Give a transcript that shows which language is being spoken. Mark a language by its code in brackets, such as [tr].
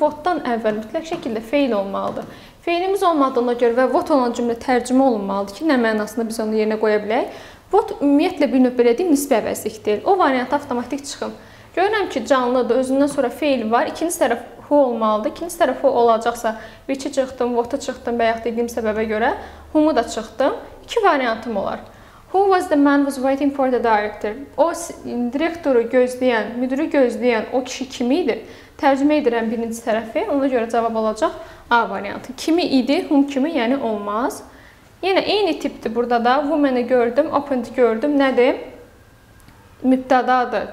[az] Votdan əvvəl mütləq şəkildə feil olmalıdır. Feilimiz olmadığına görə və vot olan cümlə tərcümə olunmalıdır ki, nə mənasında biz onu yerinə qoya bilək. Vot ümumiyyətlə bir növ belə deyim, nisbi əvəzlikdir. O variantı avtomatik çıxın. Görürəm ki, canlıdır, özündən sonra feil var. İkinci tərəf who olmalıdır. İkinci tərəf who olacaqsa, which-i çıxdım, what-ı çıxdım, bayaq dediyim səbəbə görə whom-u da çıxdım. İki variantım olar. [en] Who was the man was waiting for the director? [az] O direktoru gözləyən, müdürü gözləyən o kişi kim idi? Tərcümə edirəm birinci tərəfi. Ona görə cavab olacaq A variantı. Kimi idi, whom kimi, yəni olmaz. Yenə eyni tipdir burada da. Woman-ı gördüm, opened gördüm. Nədir? Mübtədadır.